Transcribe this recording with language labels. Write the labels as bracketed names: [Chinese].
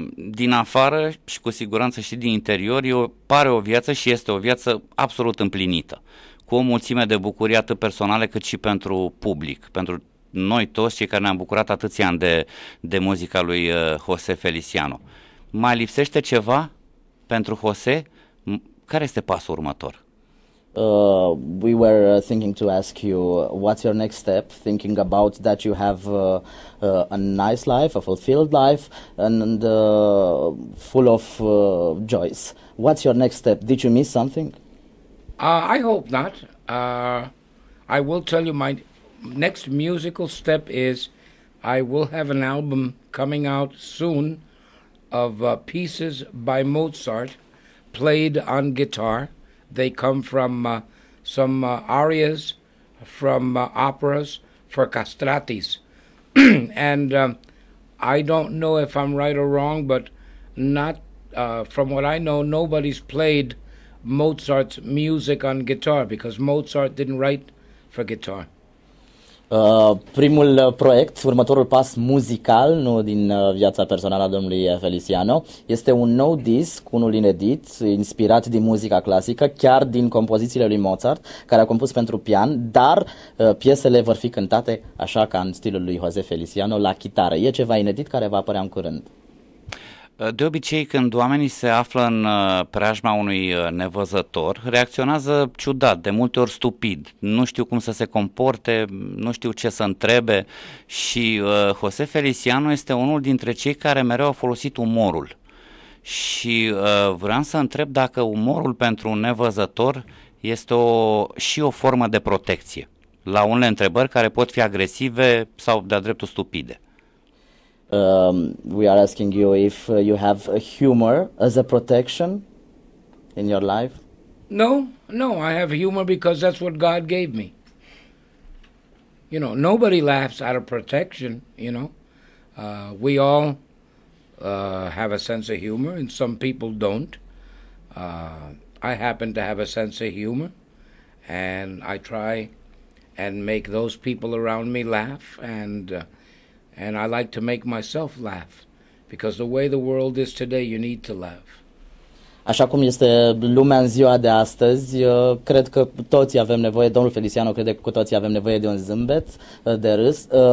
[Romanian] Din afară și cu siguranță și din interior pare o viață și este o viață absolut împlinită. Cu o mulțime de bucurii atât personale cât și pentru public, pentru noi toți cei care ne-am bucurat atâția ani de muzica lui José Feliciano. Mai lipsește ceva pentru José? Care este pasul următor? [English] We were thinking to ask you, what's your next step, thinking about that you have a nice life, a fulfilled life, and full of joys. What's your next step? Did you miss something? I hope not. I will tell you my next musical step is I will have an album coming out soon of pieces by Mozart played on guitar. They come from some arias from operas for castratis. And I don't know if I'm right or wrong, but not from what I know, nobody's played Mozart's music on guitar because Mozart didn't write for guitar. [Romanian] Primul proiect, următorul pas muzical, nu din viața personală a domnului Feliciano, este un nou disc, unul inedit, inspirat din muzica clasică, chiar din compozițiile lui Mozart, care a compus pentru pian, dar piesele vor fi cântate așa ca în stilul lui José Feliciano, la chitară. E ceva inedit care va apărea în curând. De obicei, când oamenii se află în preajma unui nevăzător, reacționează ciudat, de multe ori stupid. Nu știu cum să se comporte, nu știu ce să întrebe. Și José Feliciano este unul dintre cei care mereu a folosit umorul. Și vreau să întreb dacă umorul pentru un nevăzător este și o formă de protecție la unele întrebări care pot fi agresive sau de-a dreptul stupide. [English] We are asking you if you have a humor as a protection in your life. No, I have humor because that's what God gave me. You know, nobody laughs out of protection, you know. We all have a sense of humor and some people don't. I happen to have a sense of humor and I try and make those people around me laugh and I like to make myself laugh because the way the world is today you need to laugh. [Romanian] Așa cum este lumea în ziua de astăzi, cred că toți avem nevoie, domnul Feliciano crede că cu toții avem nevoie de un zâmbet, de râs.